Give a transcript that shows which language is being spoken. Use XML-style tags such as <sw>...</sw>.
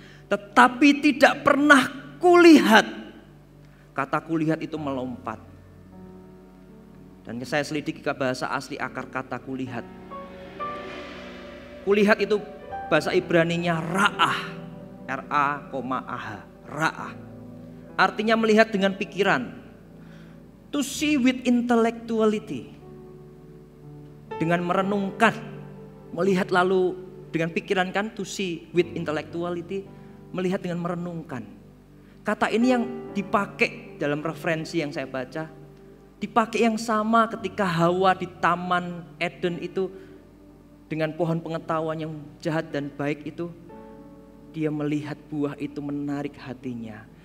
<id>Tetapi tidak pernah kulihat. Kata kulihat itu melompat. Dan saya selidiki ke bahasa asli akar kata kulihat. Kulihat itu bahasa Ibrani-nya ra'ah. R-A-A-H. Ra'ah. Artinya melihat dengan pikiran.</id> <en>To see with intellectuality.</en> <id>Dengan merenungkan. Melihat lalu dengan pikiran, kan.</id> <en>To see with intellectuality.</en> <id>Melihat dengan merenungkan. Kata ini yang dipakai dalam referensi yang saya baca. Dipakai yang sama ketika Hawa di Taman Eden itu dengan pohon pengetahuan yang jahat dan baik itu, dia melihat buah itu menarik hatinya.</id>